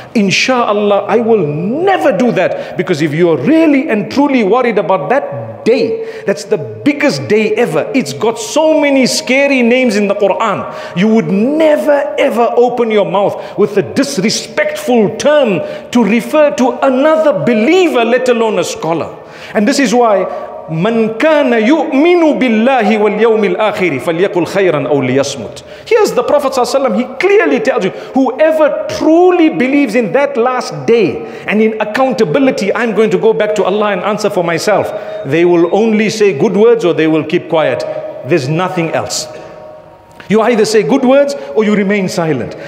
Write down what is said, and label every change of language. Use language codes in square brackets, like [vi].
[en] Insha'Allah, I will never do that. Because if you're really and truly worried about that day, that's the biggest day ever. It's got so many scary names in the Quran. You would never ever open your mouth with a disrespectful term to refer to another believer, let alone a scholar. And this is why, [ar] من كان يؤمن بالله واليوم الآخر فليقل خيرا أو ليصمت. [en] Here's the Prophet ﷺ, he clearly tells you, whoever truly believes in that last day and in accountability, I'm going to go back to Allah and answer for myself, they will only say good words or they will keep quiet. There's nothing else. You either say good words or you remain silent.